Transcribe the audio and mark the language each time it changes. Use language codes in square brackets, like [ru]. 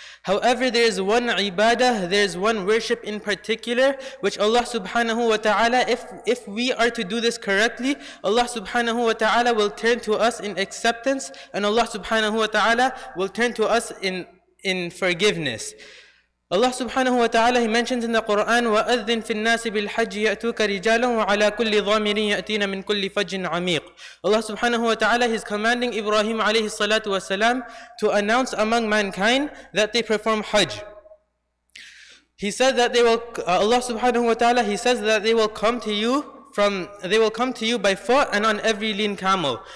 [en] However, there is one ibadah, there is one worship in particular, which Allah subhanahu wa ta'ala, if we are to do this correctly, Allah subhanahu wa ta'ala will turn to us in acceptance, and Allah subhanahu wa ta'ala will turn to us in forgiveness. Allah subhanahu wa ta'ala, He mentions in the Quran, [ar] وَأَذِّنْ فِي النَّاسِ بِالْحَجِّ يَأْتُوكَ رِجَالًا وَعَلَى كُلِّ ضَامِرٍ يَأْتِينَ مِنْ كُلِّ فَجٍّ عَمِيقٍ. [en] Allah subhanahu wa ta'ala, He's commanding Ibrahim alayhi salatu wa salam to announce among mankind that they perform Hajj. He said that they will, Allah subhanahu wa ta'ala, He says that they will come to you from, they will come to you by foot and on every lean camel.